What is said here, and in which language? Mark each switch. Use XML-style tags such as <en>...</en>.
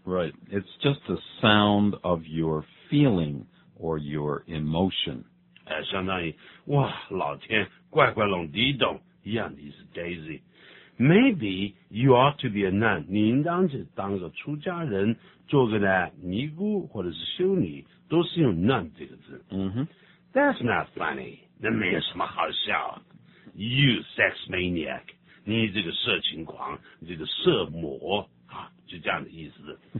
<en>Right, it's just the sound of your feeling or your emotion.</en> <zh>相当于哇，老天，怪怪龙地洞一样的意思。</zh> <en>Daisy, maybe you ought to be a nun.</en> <zh>你应当是当个出家人，做个呢尼姑或者是修女。都是用 none 这个字。</zh> <en>That's not funny.</en> <zh>那没有什么好笑。</zh> <en>You sex maniac.</en> <zh>你这个色情狂，这个色魔啊，就这样的意思。</zh>